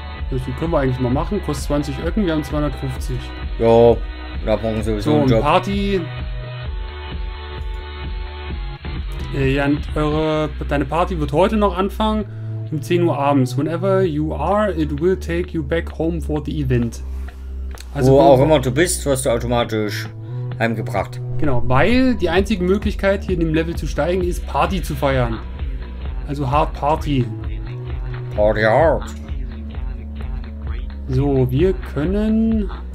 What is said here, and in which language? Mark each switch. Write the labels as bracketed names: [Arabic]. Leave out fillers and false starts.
[German] Das können wir eigentlich mal machen, kostet 20 Öcken, wir haben 250. Ja, da brauchen wir sowieso so, einen Job. So, Party. Ja, deine Party wird heute noch anfangen, um 10 Uhr abends. [English] Whenever you are, it will take you back home for the event. [German] Also wo auch immer du bist, wirst du automatisch heimgebracht. Genau, weil die einzige Möglichkeit, hier in dem Level zu steigen, ist Party zu feiern. [English] Also hard party. Party hard. [German] So, wir können...